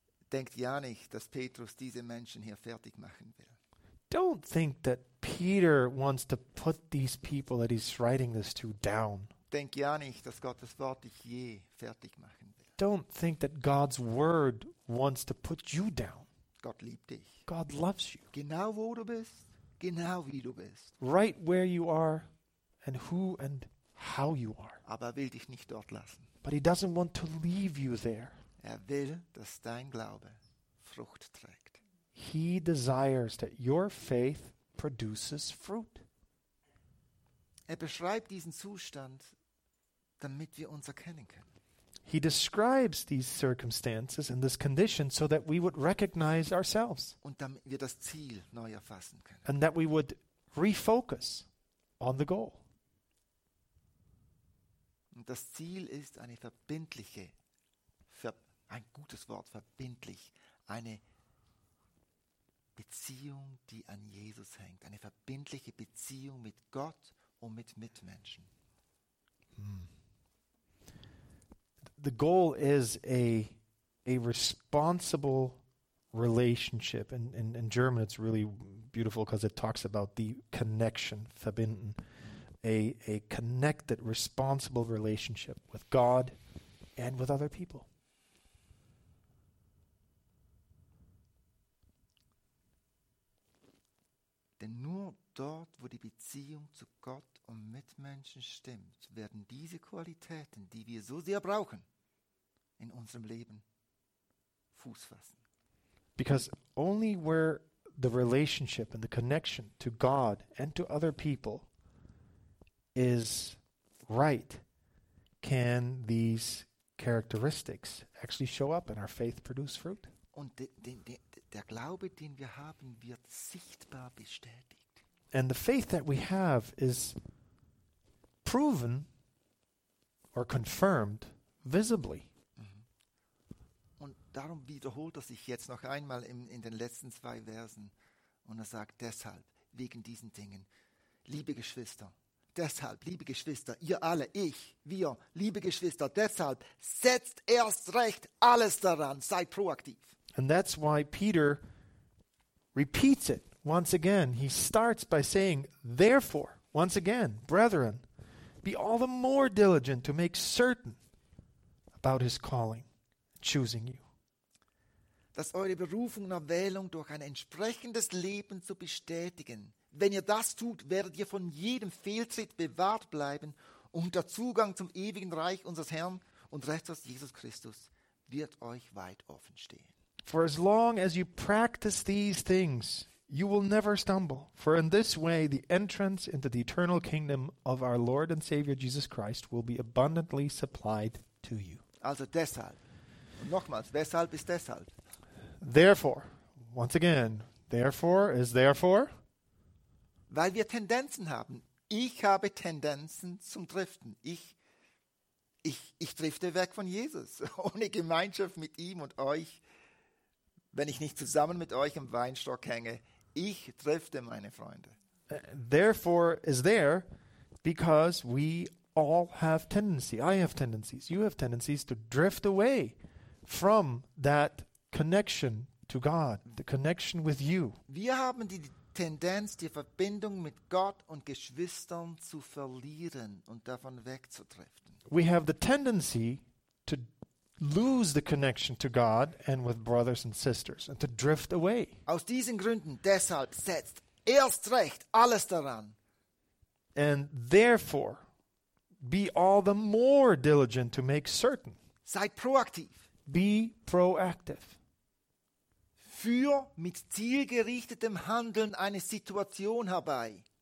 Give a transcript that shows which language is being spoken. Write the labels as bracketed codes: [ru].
[de] Denkt ja nicht, dass Petrus diese Menschen hier fertig machen will. [en] Don't think that Peter wants to put these people that he's writing this to down. [de] Denk ja nicht, dass Gottes Wort dich je fertig machen will. [en] Don't think that God's word wants to put you down. [de] Gott liebt dich. [en] God loves you. [de] Genau wo du bist, genau wie du bist. [en] Right where you are and who and how you are. [de] Aber will dich nicht dort lassen. [en] But he doesn't want to leave you there. [de] Er will, dass dein Glaube Frucht trägt. [en] He desires that your faith produces fruit. [de] Er beschreibt diesen Zustand, damit wir uns erkennen können. [en] He describes these circumstances and this condition so that we would recognize ourselves. [de] Und damit wir das Ziel neu erfassen können. [en] And that we would refocus on the goal. [de] Und das Ziel ist eine verbindliche ein gutes Wort, verbindlich, eine Beziehung, die an Jesus hängt, eine verbindliche Beziehung mit Gott und mit Mitmenschen. Hmm. [en] The goal is a responsible relationship. In German, it's really beautiful because it talks about the connection, verbinden, a connected, responsible relationship with God and with other people. [de] Denn nur dort, wo die Beziehung zu Gott und Mitmenschen stimmt, werden diese Qualitäten, die wir so sehr brauchen, in unserem Leben Fuß fassen. [en] Because only where the relationship and the connection to God and to other people is right, can these characteristics actually show up and our faith produce fruit. [de] Und der Glaube, den wir haben, wird sichtbar bestätigt. [en] And the faith that we have is proven or confirmed visibly. [de] Und darum wiederholt er sich jetzt noch einmal in den letzten zwei Versen. Und er sagt deshalb, wegen diesen Dingen, liebe Geschwister, deshalb, liebe Geschwister, ihr alle, ich, wir, liebe Geschwister, deshalb setzt erst recht alles daran, seid proaktiv. [en] And that's why Peter repeats it once again. He starts by saying, therefore, once again, brethren, be all the more diligent to make certain about his calling, choosing you. [de] Dass eure Berufung und Erwählung durch ein entsprechendes Leben zu bestätigen. Wenn ihr das tut, werdet ihr von jedem Fehltritt bewahrt bleiben und der Zugang zum ewigen Reich unseres Herrn und Retters Jesus Christus wird euch weit offen stehen. [en] For as long as you practice these things, you will never stumble. For in this way, the entrance into the eternal kingdom of our Lord and Savior Jesus Christ will be abundantly supplied to you. [de] Also deshalb. Und nochmals, weshalb ist deshalb? [en] Therefore. Once again, therefore is therefore. [de] Weil wir Tendenzen haben. Ich habe Tendenzen zum Driften. Ich drifte weg von Jesus. Ohne Gemeinschaft mit ihm und euch. Wenn ich nicht zusammen mit euch im Weinstock hänge, ich drifte, meine Freunde. [en] Therefore is there, because we all have tendency. I have tendencies. You have tendencies to drift away from that connection to God, the connection with you. [de] Wir haben die Tendenz, die Verbindung mit Gott und Geschwistern zu verlieren und davon wegzudriften. [en] We have the tendency to lose the connection to God and with brothers and sisters and to drift away. [de] Aus diesen Gründen, deshalb setzt erst recht alles daran. [en] And therefore, Be all the more diligent to make certain. [de] Sei proaktiv. [en] Be proactive. [de] Führ mit zielgerichtetem Handeln eine Situation herbei.